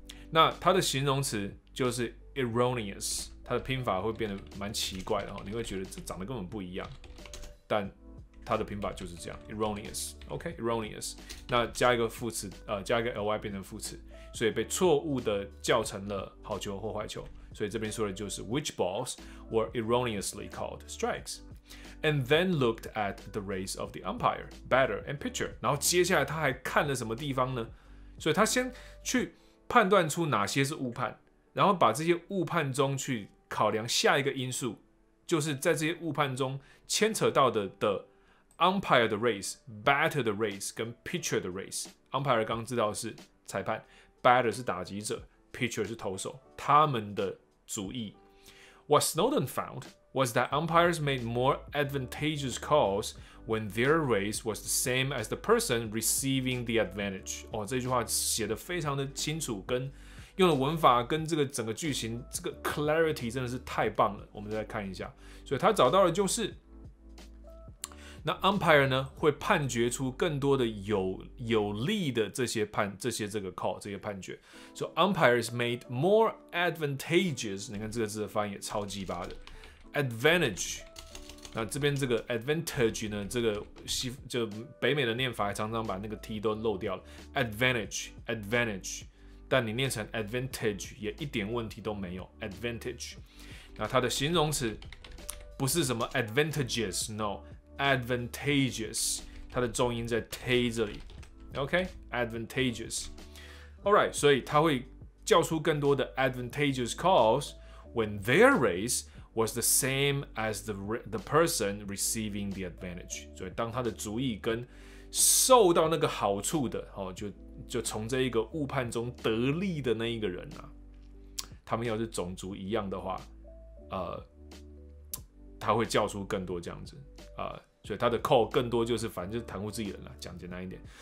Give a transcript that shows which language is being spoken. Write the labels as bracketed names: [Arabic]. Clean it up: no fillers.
[Chinese] 那它的形容词就是 erroneous， 它的拼法会变得蛮奇怪的哦，你会觉得这长得根本不一样，但它的拼法就是这样 ，erroneous，OK，erroneous， 那加一个副词，加一个 ly 变成副词，所以被错误的叫成了好球或坏球。所以这边说的就是 [English] which balls were erroneously called strikes, and then looked at the race of the umpire, batter, and pitcher. [Chinese] 然后接下来他还看了什么地方呢？所以他先去判断出哪些是误判，然后把这些误判中去考量下一个因素，就是在这些误判中牵扯到的 umpire 的 race, batter 的 race 跟 pitcher 的 race。 umpire 刚刚知道是裁判 ，batter 是打击者 ，pitcher 是投手，他们的主意。 [English] What Snowden found was that umpires made more advantageous calls when their race was the same as the person receiving the advantage。 [Chinese] 哦，这句话写得非常的清楚，跟用的文法跟这个整个剧情，这个 clarity 真的是太棒了。我们再看一下，所以他找到的就是。那 umpire 呢会判决出更多的 有利的这些判这些这个 call 这些判决。 [English] So umpires made more advantageous, [Chinese] 你看这个字的发音也超鸡巴的。 Advantage, 那这边这个 advantage 呢，这个西就北美的念法常常把那个 t 都漏掉了。 Advantage, 但你念成 advantage 也一点问题都没有。 Advantage, 那它的形容词不是什么 advantageous, no. [English] Advantageous, [Chinese] 它的重音在 t 这里 [English] ，OK，advantageous、okay? All right, [Chinese] 所以他会叫出更多的 [English] advantageous calls when their race was the same as the person receiving the advantage. [Chinese] 所以当他的主意跟受到那个好处的，哦、就从这一个误判中得利的那一个人、啊、他们要是种族一样的话，他会叫出更多这样子。所以他的 call 更多就是反正就是袒护自己人了，讲简单一点。